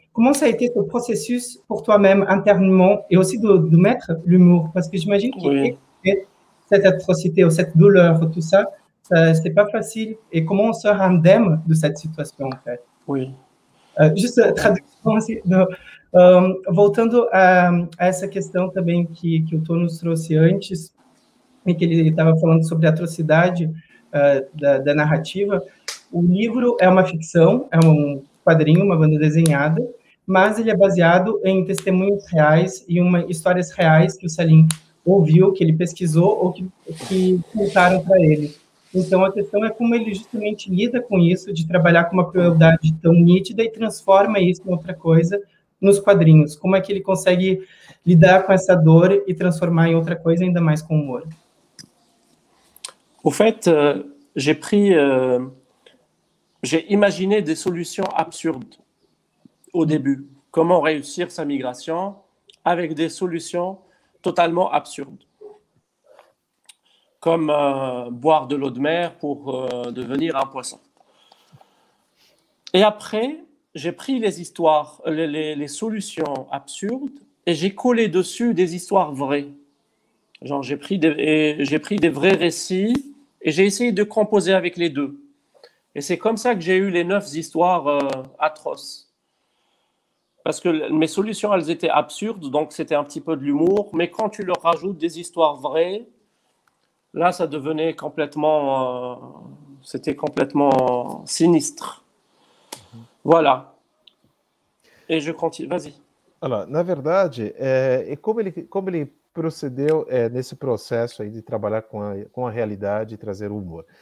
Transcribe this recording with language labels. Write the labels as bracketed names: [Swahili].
[French] Comment ça a été ce processus pour toi-même, internement, et aussi de mettre l'humour? Parce que j'imagine que cette atrocité ou cette douleur, tout ça, c'était pas facile. Et comment on sort indemne de cette situation, en fait? Oui. Juste traduction aussi. [Portuguese] Voltando à essa questão também que o Tom nos trouxe antes, em que ele estava falando sobre a atrocidade da narrativa, o livro é uma ficção, é um quadrinho, uma banda desenhada, mas ele é baseado em testemunhos reais e histórias reais que o Salim ouviu, que ele pesquisou ou que contaram para ele. Então, a questão é como ele justamente lida com isso, de trabalhar com uma crueldade tão nítida e transforma isso em outra coisa nos quadrinhos. Como é que ele consegue lidar com essa dor e transformar em outra coisa, ainda mais com humor? [French] Au fait, j'ai pris... J'ai imaginé des solutions absurdes au début. Comment réussir sa migration avec des solutions totalement absurdes. Comme boire de l'eau de mer pour devenir un poisson. Et après, j'ai pris les histoires, les solutions absurdes et j'ai collé dessus des histoires vraies. Genre, j'ai pris des vrais récits et j'ai essayé de composer avec les deux. Et c'est comme ça que j'ai eu les 9 histoires atroces. Parce que mes solutions, elles étaient absurdes, donc c'était un petit peu de l'humour. Mais quand tu leur rajoutes des histoires vraies, là, ça devenait complètement... c'était complètement sinistre. Voilà. Et je continue. Vas-y. [Portuguese] Alors, na verdade, [French] comme il [Portuguese] procedeu nesse processo aí de trabalhar com a realidade e trazer o humor.